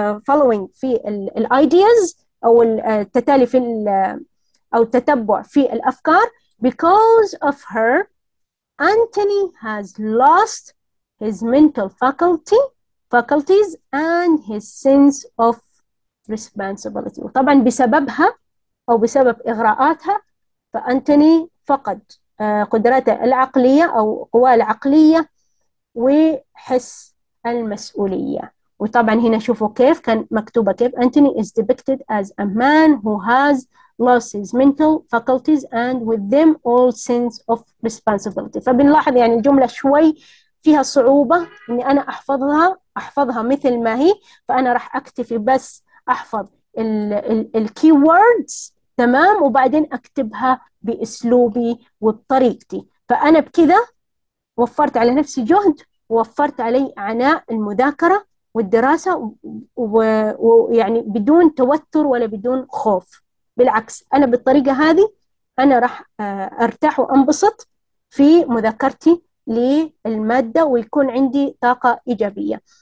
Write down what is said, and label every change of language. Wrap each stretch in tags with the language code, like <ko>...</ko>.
<ar>following في الايدياز او التتالي في او التتبع في الافكار</ar> <en>because of her Antony has lost his mental faculties and his sense of responsibility،</en> <ar>وطبعا بسببها او بسبب اغراءاتها فأنتوني فقد قدراته العقلية او قواه العقلية وحس المسؤولية، وطبعا هنا شوفوا كيف كان مكتوبة، كيف أنتوني</ar> <en>is depicted as a man who has lost his mental faculties and with them all sense of responsibility.</en> <ar>فبنلاحظ يعني الجملة شوي فيها صعوبة إني أنا أحفظها مثل ما هي، فأنا راح أكتفي بس أحفظ ال keywords تمام، وبعدين أكتبها بأسلوبي وبطريقتي. فأنا بكذا وفرت على نفسي جهد، ووفرت علي عناء المذاكرة والدراسة، ويعني بدون توتر ولا بدون خوف، بالعكس أنا بالطريقة هذه أنا راح أرتاح وأنبسط في مذاكرتي للمادة، ويكون عندي طاقة إيجابية.</ar>